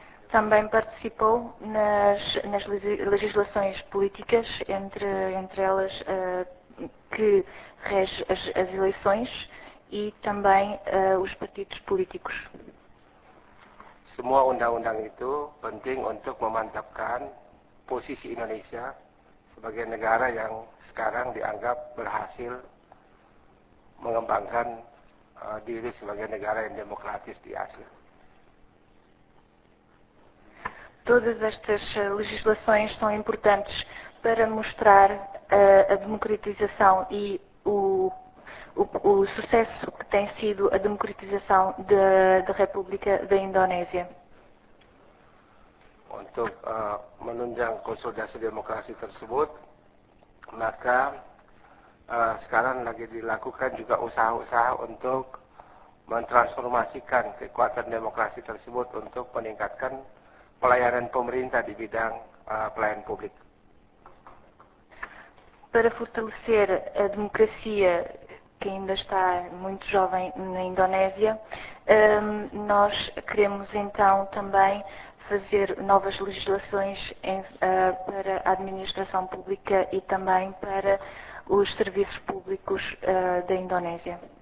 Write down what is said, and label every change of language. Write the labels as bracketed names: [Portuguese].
[Portuguese] Também participou nas legislações políticas, entre elas que rege as eleições e também os partidos políticos. [Indonesian] Semua undang-undang itu penting untuk memantapkan posisi Indonesia sebagai negara yang sekarang dianggap berhasil mengembangkan diri sebagai negara yang demokratis di Asia. [Portuguese] Todas estas legislações são importantes para mostrar a democratização e o sucesso que tem sido a democratização da República da Indonésia. [Indonesian] Untuk menunjang konsolidasi demokrasi tersebut, maka sekarang lagi dilakukan juga usaha-usaha untuk mentransformasikan kekuatan demokrasi tersebut untuk meningkatkan pelayanan pemerintah di bidang pelayanan publik. [Portuguese] Para fortalecer a democracia que ainda está muito jovem na Indonésia, nós queremos então também fazer novas legislações para a administração pública e também para os serviços públicos da Indonésia.